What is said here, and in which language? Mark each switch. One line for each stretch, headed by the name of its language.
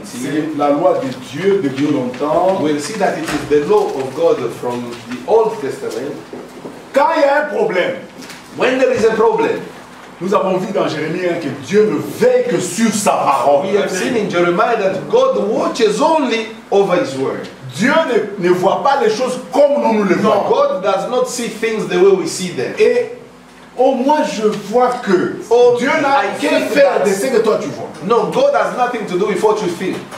French: C'est la loi de Dieu de Dieu longtemps.
English: We'll see that it is the law of God from the Old Testament.
French: Quand il y a un problème,
English: when there is a problem,
French: nous avons vu dans Jérémie 1 que Dieu ne veille que sur sa parole.
English: We have seen in Jeremiah that God watches only over His word.
French: Dieu ne voit pas les choses comme nous le voyons.
English: God does not see things the way we see them.
French: Et au moins je vois que Dieu n'a rien à faire de ce que toi tu vois.
English: No, God has nothing to do with what you feel.